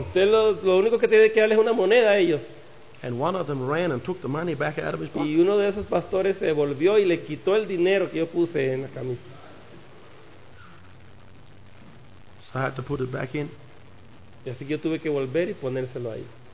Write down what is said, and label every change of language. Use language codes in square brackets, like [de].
[es] Usted lo único que tiene que darles es una moneda a ellos. [en] And one of them ran and took the money back out of his pocket. [es] Y uno de esos pastores se volvió y le quitó el dinero que yo puse en la camisa. [en] So I had to put it back in. [es] Y así que yo tuve que volver y ponérselo ahí.